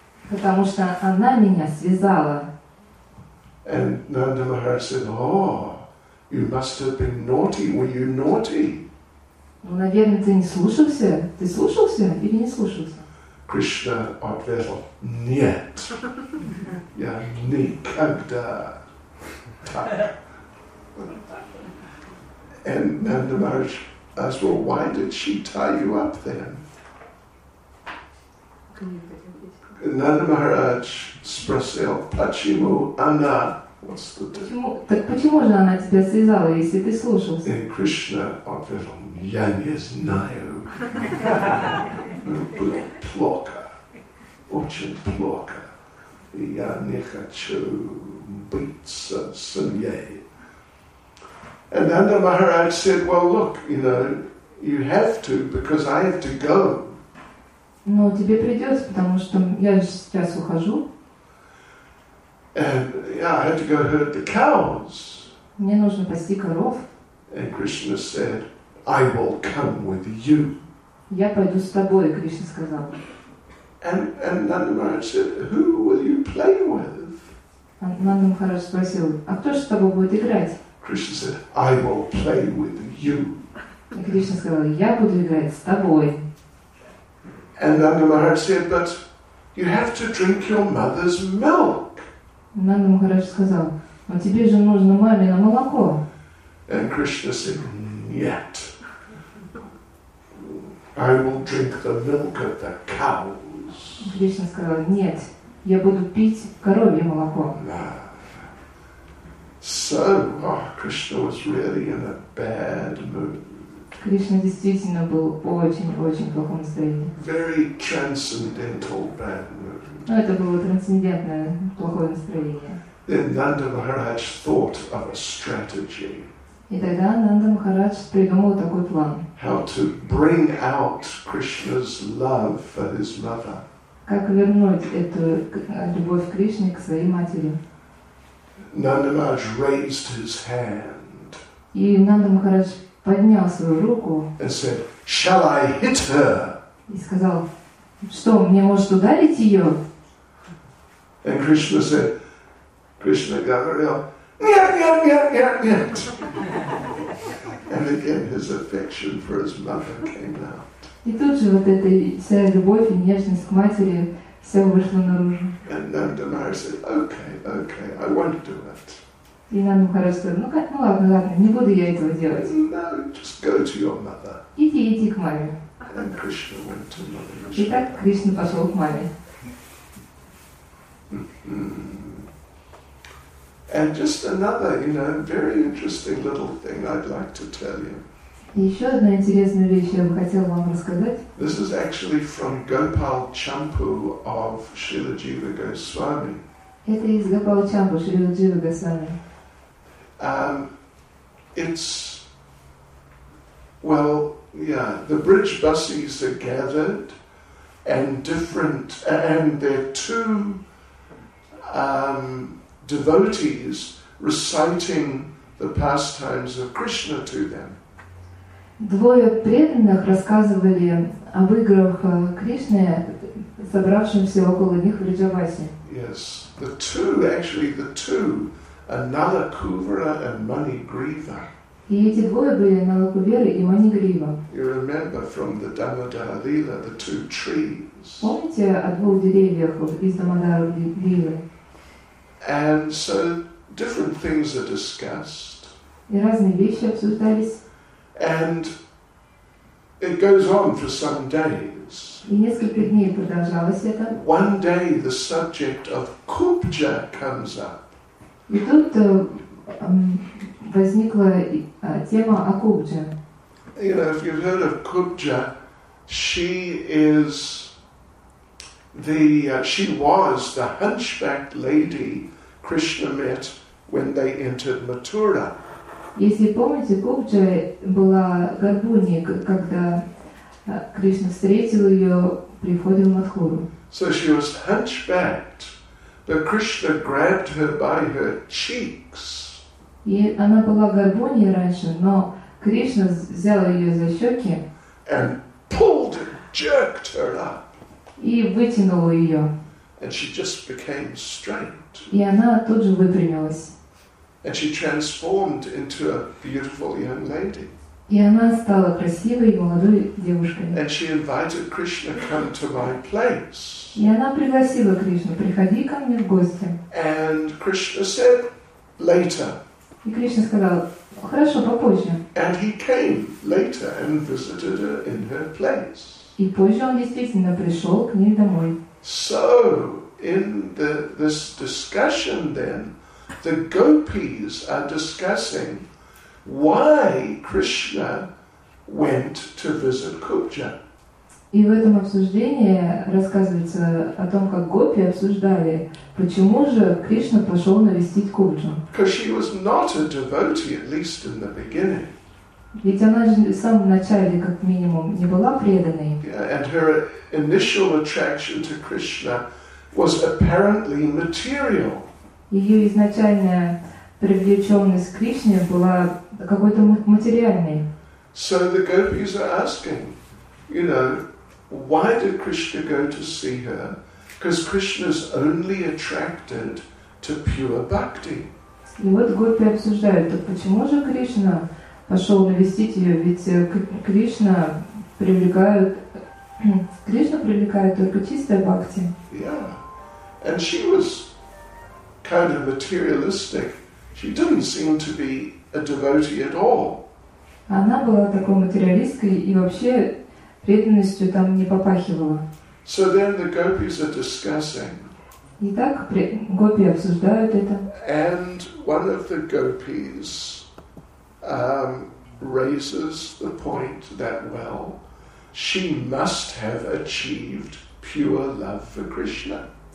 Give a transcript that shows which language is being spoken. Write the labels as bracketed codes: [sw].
[ru] Потому что она меня связала. [en] And Nanda Maharaj said, you must have been naughty. Were you naughty? [ru] Ну, наверное, ты не слушался. Ты слушался или не слушался? Krishna ответил, нет, я никогда так. [en] And Nanda Maharaj asked, well, why did she tie you up then? [ru] Nanda Maharaj спросил, почему она, [en] what's the difference? [ru] Так почему же она тебя связала, если ты слушался? [en] And [ru] Krishna ответил, я не знаю. Плохо, очень плохо. Я не хочу быть семьей. [en] And Nanda Maharaj said, well, look, you know, you have to, because I have to go. [ru] Но тебе придется, потому что я сейчас ухожу. [en] And, yeah, I had to go herd the cows. [ru] Мне нужно пасти коров. [en] And Krishna said, I will come with you. [ru] Я пойду с тобой, Кришна сказал. [en] And Nanda Maharaj said, who will you play with? [ru] Нанда Махарадж спросил, а кто же с тобой будет играть? [en] Krishna said, I will play with you. [ru] И Кришна сказал, я буду играть с тобой. [en] And Nanda Maharaj said, but you have to drink your mother's milk. [ru] Нанда Махарадж сказал, но тебе же нужно мамино молоко. [en] And Krishna said, [ru] нет. [en] I will drink the milk of the cows. [ru] Кришна сказал, нет, я буду пить коровье молоко. [en] So, Krishna was really in a bad mood. [ru] Кришна действительно был очень-очень плохом настроении. [en] Very transcendental bad mood. [ru] Но это было трансцендентное плохое настроение. [en] Then Nanda Maharaj thought of a strategy. [ru] И тогда Ананда Махарадж придумал такой план. [en] How to bring out Krishna's love for his mother. [ru] Как вернуть эту любовь Кришны к своей матери? [en] Nanda Maharaj raised his hand. [ru] И Нанда Махарадж поднял свою руку. [en] And said, "Shall I hit her?" [ru] И сказал, что мне может ударить ее? [en] And Krishna said, [ru] Krishna говорил, нет, нет, нет, нет, нет. [en] And again his affection for his mother came out. [ru] И тут же вот эта вся любовь и нежность к матери все вышло наружу. [en] And Nanda Maharaj said, okay, okay, I won't do it. [ru] И Нанда Махарадж сказал, ну как, ну ладно, ладно, не буду я этого делать. [en] No, just go to your mother. [ru] Иди, иди к маме. [en] And Krishna went to Mother Yashoda. [ru] И так Кришна пошел к маме. [en] And just another, you know, very interesting little thing I'd like to tell you. [ru] Еще одна интересная вещь я бы хотела вам рассказать. [en] This is actually from Gopal Champu of Srila Jiva Goswami. [ru] Это из Гопал Чампу, Шрила Джива Госвами. [en] It's, well, yeah, the bridge buses are gathered and different, and there are two devotees reciting the pastimes of Krishna to them. [ru] Двое преданных рассказывали об играх Кришны, собравшимся около них в Риджавасе. [en] Yes, the two, actually the two, another Kuvara and Mani Griva. [ru] И эти двое были Налакувера и Мани Грива. [en] You remember from the Damodara Lila, the two trees. [ru] Помните о двух деревьях из Дамодара Лилы? [en] And so different things are discussed. [ru] И разные вещи обсуждались. [en] And it goes on for some days. [ru] И несколько дней продолжалось это. [en] One day the subject of Kubja comes up. [ru] И тут возникла тема о Кубже. [en] You know, if you've heard of Kubja, she is the she was the hunchbacked lady Krishna met when they entered Mathura. [ru] Если помните, Кубджа была горбуньей, когда Кришна встретил ее при входе в Матхуру. [en] So she was hunchbacked, but Krishna grabbed her by her cheeks. [ru] И она была горбуньей раньше, но Кришна взял ее за щеки. [en] And pulled and jerked her up. [ru] И вытянул ее. [en] And she just became straight. [ru] И она тут же выпрямилась. [en] And she transformed into a beautiful young lady. [ru] И она стала красивой и молодой девушкой. [en] And she invited Krishna to come to my place. [ru] И она пригласила Кришну, приходи ко мне в гости. [en] And Krishna said, later. [ru] И Кришна сказал, хорошо, попозже. [en] And he came later and visited her in her place. [ru] И позже он действительно пришел к ней домой. [en] So, in this discussion then, the gopis are discussing why Krishna went to visit Kubja. [ru] И в этом обсуждении рассказывается о том, как гопи обсуждали, почему же Кришна пошел навестить Кубджу. [en] Because she was not a devotee, at least in the beginning. [ru] Ведь она же в самом начале, как минимум, не была преданной. [en] Yeah, and her initial attraction to Krishna was apparently material. [ru] Ее изначальная привлеченность к Кришне была какой-то материальной. [en] So the gopis are asking, you know, why did Krishna go to see her? Because Krishna is only attracted to pure bhakti. [ru] И вот гопи обсуждают, так почему же Кришна пошел навестить ее, ведь Кришна привлекает только чистое бхакти. [en] Yeah. And she was kind of materialistic. She didn't seem to be a devotee at all. [ru] Она была такой материалисткой и вообще преданностью там не попахивала. [en] So then the gopis are discussing. [ru] Итак, гопи обсуждают это. [en] And one of the gopis raises the point that, well, she must have achieved pure love for Krishna.